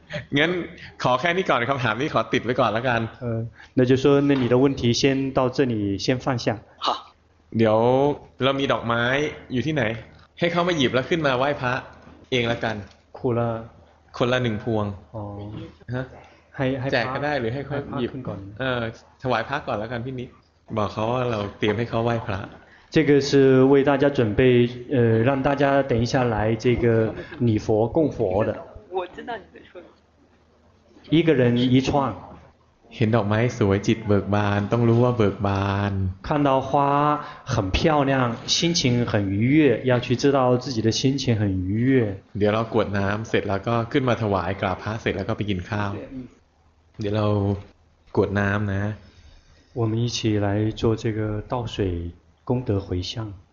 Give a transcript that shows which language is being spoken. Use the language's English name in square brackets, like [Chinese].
[Thai] งั้นขอแค่นี้ก่อนคำถามนี้ขอติดไว้ก่อนแล้วกัน [Chinese] เออ那就说那你的问题先到这里先放下 [Thai] เดี๋ยวเรามีดอกไม้อยู่ที่ไหนให้เขามาหยิบแล้วขึ้นมาไหว้พระเองละกัน คนละ หนึ่งพวง ฮะให้ แจกก็ได้หรือให้เขาหยิบ ขึ้นก่อน เออถวายพระก่อนแล้วกันพี่นิดบอกเขาว่าเราเตรียมให้เขาไหว้พระ [Chinese] 这个是为大家准备让大家等一下来这个礼佛供佛的我知道你在说一个人一串 [Thai] เห็นดอกไม้สวยจิตเบิกบานต้องรู้ว่าเบิกบาน [Chinese] 看到花很漂亮心情很愉悦要去知道自己的心情很愉悦 [Thai] เดี๋ยวเรากวดน้ำเสร็จแล้วก็ขึ้นมาถวายกราบพระเสร็จแล้วก็ไปกินข้าวเดี๋ยวเรากวดน้ำนะ [Chinese] 我们一起来做这个倒水功德回向